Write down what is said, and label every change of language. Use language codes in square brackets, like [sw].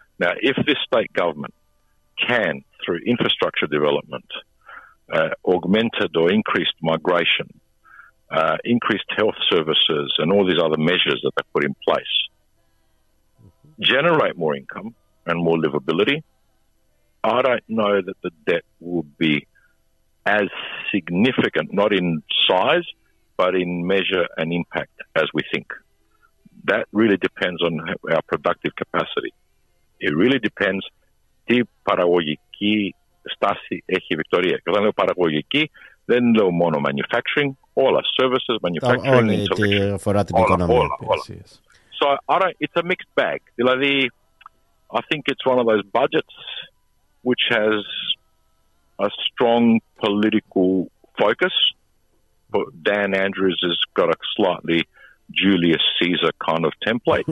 [en] Now, if this state government can, through infrastructure development, augmented or increased migration, increased health services, and all these other measures that they put in place, generate more income and more livability, I don't know that the debt would be as significant, not in size, but in measure and impact as we think. That really depends on our productive capacity. It really depends [el] τι παραγωγική στάση έχει η Βικτωρία. Και όταν λέω παραγωγική, δεν λέω μόνο manufacturing, όλα, services, manufacturing, [en] intellectual. [el] Όλη τι αφορά την οικονομία. [en] So, I don't, it's a mixed bag. [el] Δηλαδή, [en] I think it's one of those budgets which has a strong political focus. But Dan Andrews has got a slightly Julius Caesar kind of template.